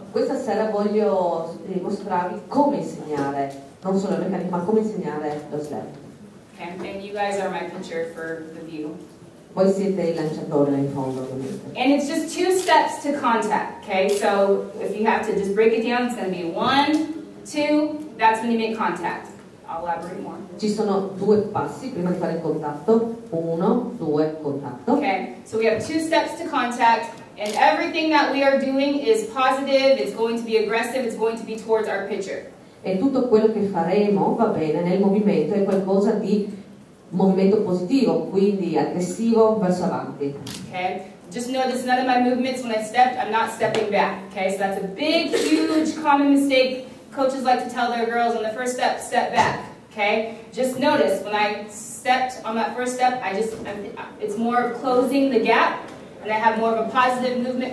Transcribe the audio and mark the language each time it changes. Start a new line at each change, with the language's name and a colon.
Italian: questa sera voglio mostrarvi come insegnare, non solo la meccanica, ma come insegnare lo slap.
English: Okay, and you guys are my pitcher for the view.
Italian: Voi siete il lanciatore in fondo, ovviamente.
English: And it's just two steps to contact, okay? So if you have to just break it down, it's going to be one, two, that's when you make contact. I'll elaborate more.
Italian: Ci sono due passi prima di fare il contatto. Uno, due, contatto.
English: Okay, so we have two steps to contact, and everything that we are doing is positive, it's going to be aggressive, it's going to be towards our pitcher.
Italian: E tutto quello che faremo, va bene, nel movimento è qualcosa di movimento positivo, quindi aggressivo verso avanti.
English: Okay. Just know this, none of my movements when I stepped, I'm not stepping back. Okay, so that's a big, huge, common mistake coaches like to tell their girls on the first step, step back. Okay, just notice when I stepped on that first step, it's more of closing the gap and I have more of a positive movement.